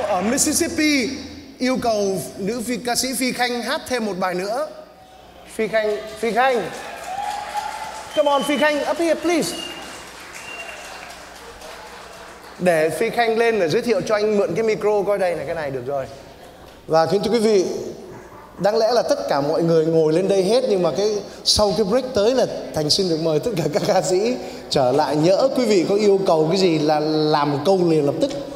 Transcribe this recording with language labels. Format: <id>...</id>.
<vi>Mississippi yêu cầu nữ phi, ca sĩ Phi Khanh hát thêm một bài nữa. Phi Khanh.</vi> <en>Come on Phi Khanh, up here please.</en> <vi>Để Phi Khanh lên để giới thiệu cho anh mượn cái micro coi đây này, cái này được rồi. Và kính thưa quý vị, đáng lẽ là tất cả mọi người ngồi lên đây hết, nhưng mà cái sau cái break tới là Thành xin được mời tất cả các ca sĩ trở lại. Nhỡ quý vị có yêu cầu cái gì là làm câu liền lập tức.</vi>